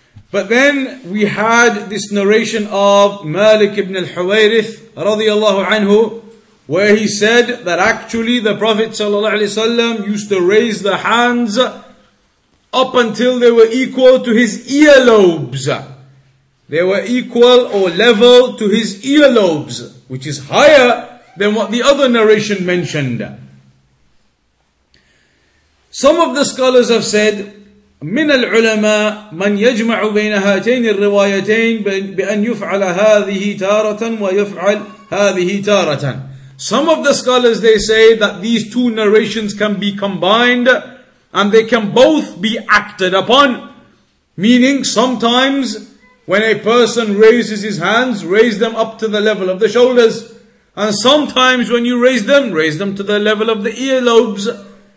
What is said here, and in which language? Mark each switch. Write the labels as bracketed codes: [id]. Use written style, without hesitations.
[en] But then we had this narration of Malik ibn al-Huwayrith radiallahu anhu, where he said that actually the Prophet sallallahu alaihi wasallam used to raise the hands up until they were equal to his earlobes. They were equal or level to his earlobes, which is higher than what the other narration mentioned. Some of the scholars have said, [ar] من العلماء من يجمع بين هاتين الروايتين بأن يفعل هذه تارة ويفعل هذه تارة. [en] Some of the scholars, they say that these two narrations can be combined and they can both be acted upon. Meaning, sometimes when a person raises his hands, raise them up to the level of the shoulders. And sometimes when you raise them to the level of the earlobes.